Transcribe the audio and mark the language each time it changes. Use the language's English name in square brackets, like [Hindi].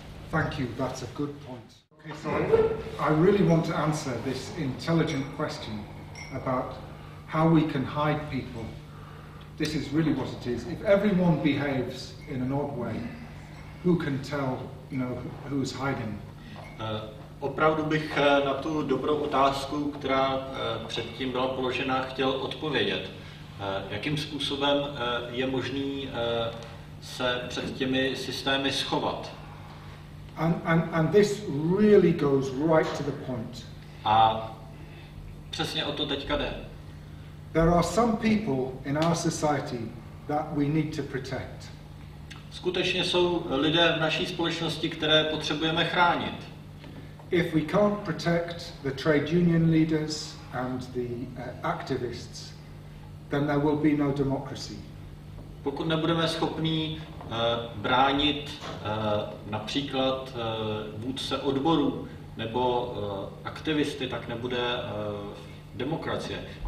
[English] Thank you, that's a good point. Okay, so I really want to answer this intelligent question about how we can hide people. This is really what it is. If everyone behaves in an odd way, who can tell, you know, who is hiding? [Czech] Opravdu bych na tu dobrou otázku, která předtím byla položena, chtěl odpovědět. Jakým způsobem je možný se před těmi systémy schovat? [English] And this really goes right to the point. [Czech] A přesně o to teďka jde. [English] There are some people in our society that we need to protect. [Czech] Skutečně jsou lidé v naší společnosti, které potřebujeme chránit. [English] If we can't protect the trade union leaders and the activists, then there will be no democracy. [Czech] Pokud nebudeme schopní bránit například vůdce odborů nebo aktivisty, tak nebude demokracie.